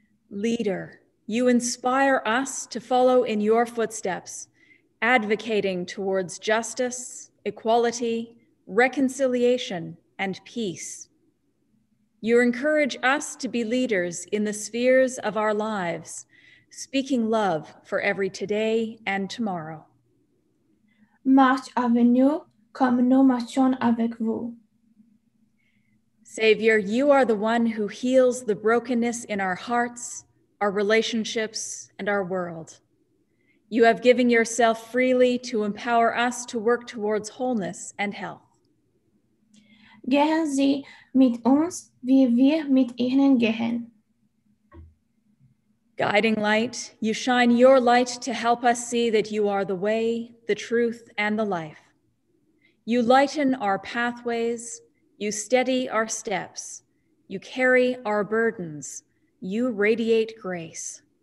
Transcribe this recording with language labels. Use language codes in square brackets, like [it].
[en] Leader, you inspire us to follow in your footsteps, advocating towards justice, equality, reconciliation, and peace. You encourage us to be leaders in the spheres of our lives, speaking love for every today and tomorrow. [fr] Marche avec nous comme nous marchons avec vous. [en] Savior, you are the one who heals the brokenness in our hearts, our relationships, and our world. You have given yourself freely to empower us to work towards wholeness and health. [de] Gehen Sie mit uns, wie wir mit Ihnen gehen. [en] Guiding light, you shine your light to help us see that you are the way, the truth, and the life. You lighten our pathways, you steady our steps, you carry our burdens, you radiate grace.